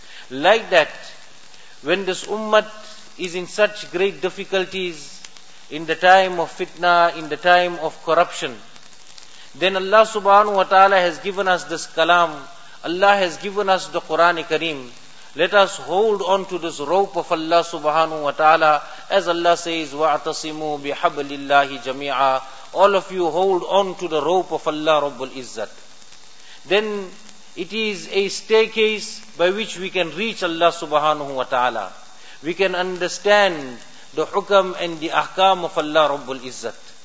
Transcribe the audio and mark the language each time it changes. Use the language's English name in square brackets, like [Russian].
[English] Like that, when this ummah is in such great difficulties, in the time of fitna, in the time of corruption, then Allah subhanahu wa ta'ala has given us this kalam, Allah has given us the Quran Kareem. Let us hold on to this rope of Allah subhanahu wa ta'ala. As Allah says, [Arabic] وَاعْتَصِمُوا بِحَبْلِ اللَّهِ جَمِيعًا. [English] All of you hold on to the rope of Allah Rabbul Izzat. Then it is a staircase by which we can reach Allah subhanahu wa ta'ala. We can understand the hukam and the ahkam of Allah Rabbul Izzat.